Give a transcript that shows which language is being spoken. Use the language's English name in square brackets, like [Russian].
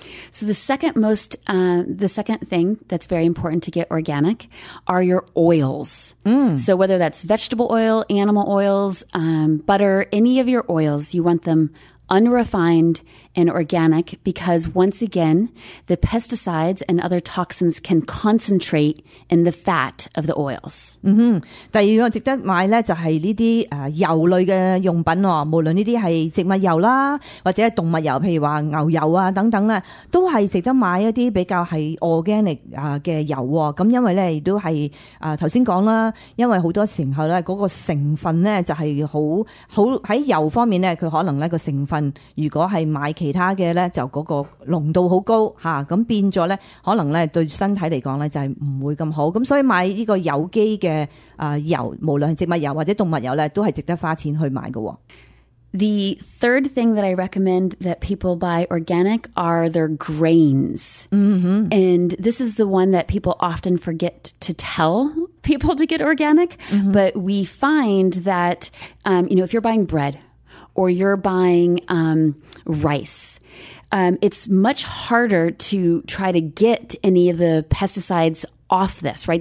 [English] So the second most, the second thing that's very important to get organic are your oils. So whether that's vegetable oil, animal oils, butter, any of your oils, you want them unrefined and organic because once again, the pesticides and other toxins can concentrate in the fat of the oils. [Cantonese] 嗯哼，第二个值得买咧就系呢啲油类嘅用品哦，无论呢啲系植物油啦，或者系动物油，譬如话牛油啊等等咧，都系值得买一啲比较系 organic 嘅油。咁因为咧都系头先讲啦，因为好多时候咧嗰个成分咧就系好喺油方面咧，佢可能咧个成分如果系买其他嘅咧就嗰个浓度好高吓，咁变咗咧可能咧对身体嚟讲咧就系唔会咁好，咁所以买呢个有机嘅油，无论植物油或者动物油咧，都系值得花钱去买嘅。 [English] The third thing that I recommend that people buy organic are their grains. Mm-hmm. And this is the one that people often forget to tell people to get organic, mm-hmm. but we find that, you know, if you're buying bread or you're buying rice, it's much harder to try to get any of the pesticides off this, right?